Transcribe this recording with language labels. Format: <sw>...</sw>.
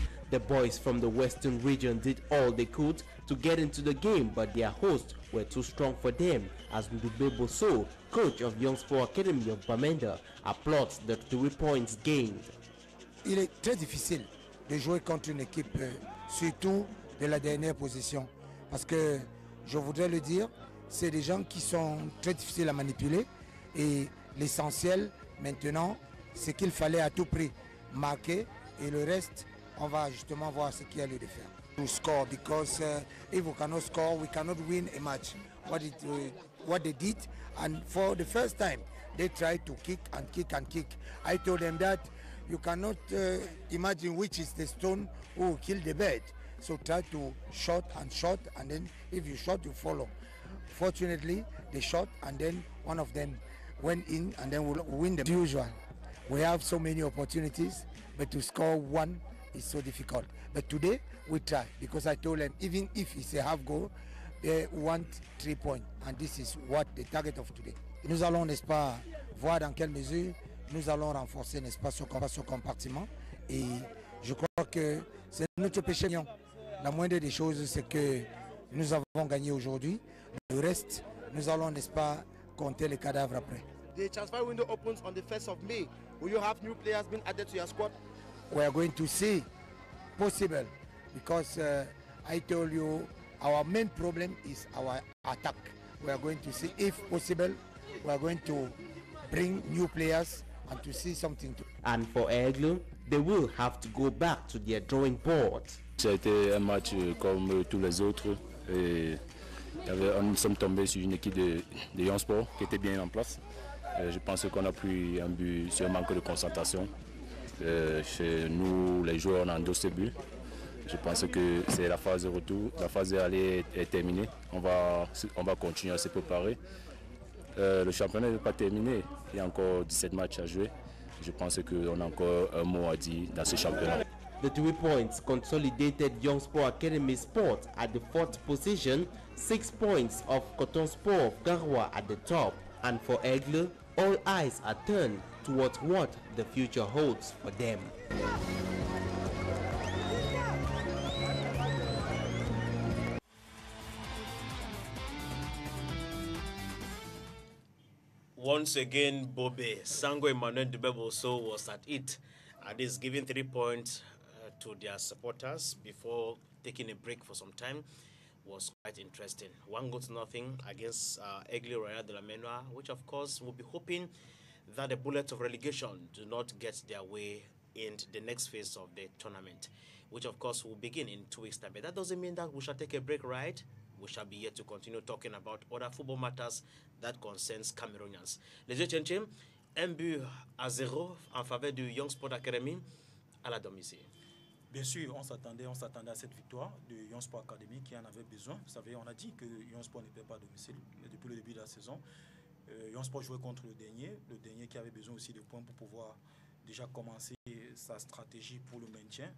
<en>The boys from the Western region did all they could to get into the game, but their hosts were too strong for them, as Ndube Boso, coach of Young Sport Academy of Bamenda, applauds the 3 points gained.</en> <fr>Il est très difficile de jouer contre une équipe, surtout de la dernière position, parce que je voudrais le dire, c'est des gens qui sont très difficiles à manipuler, et l'essentiel maintenant, c'est qu'il fallait à tout prix marquer, et le reste, on va justement voir ce qu'il y a lieu de faire.</fr> <en>To score, because if we cannot score, we cannot win a match. What they did, and for the first time, they tried to kick and kick and kick. I told them that you cannot imagine which is the stone who will kill the bird. So try to shot and then if you shot, you follow. Fortunately, they shot and then one of them went in and then we'll win them. Usual, we have so many opportunities, but to score one is so difficult. But today, we try because I told them, even if it's a half goal, they want 3 points. And this is what the target of today.</en> <fr>Nous allons, n'est-ce pas, voir dans quelle mesure nous allons renforcer, n'est-ce pas, ce compartiment. Et je crois que c'est notre péché. La moindre des choses, c'est que nous avons gagné aujourd'hui. Le reste, nous allons, n'est-ce pas, compter les cadavres après.</fr> <en>The transfer window opens on the 1st of May. Will you have new players being added to your squad? We are going to see possible because I told you our main problem is our attack. We are going to see if possible. We are going to bring new players and to see something. And for Eglu, they will have to go back to their drawing board.</en> <fr>Ça a été un match comme tous les autres. Nous sommes tombés sur une équipe de Young Sport qui était bien en place. Je pense qu'on a pris un but sur un manque de concentration. Chez nous, les joueurs, on a endossé ce but. Je pense que c'est la phase de retour. La phase d'aller est terminée. On va continuer à se préparer. Le championnat n'est pas terminé. Il y a encore 17 matchs à jouer. Je pense qu'on a encore un mot à dire dans ce championnat.</fr> <en>The 3 points consolidated Young Sport Academy Sport at the fourth position, 6 points of Coton Sport of Garoua at the top. And for Aigle, all eyes are turned towards what the future holds for them. Once again, Bobby, Sango Emmanuel Dubeboso was at it and is giving 3 points to their supporters before taking a break for some time. Was quite interesting. 1-0 against Aigle Royal de la Menua, which of course will be hoping that the bullets of relegation do not get their way in the next phase of the tournament, which of course will begin in 2 weeks' time. But that doesn't mean that we shall take a break, right? We shall be here to continue talking about other football matters that concerns Cameroonians.</en> <fr>Les Etienne Chim, 1-0 en faveur du Young Sport Academy à la domicile. Bien sûr, on s'attendait à cette victoire de Young Sport Academy qui en avait besoin. Vous savez, on a dit que Young Sport ne perd pas à domicile depuis le début de la saison. Young Sport jouait contre le dernier qui avait besoin aussi de points pour pouvoir déjà commencer sa stratégie pour le maintien.</fr>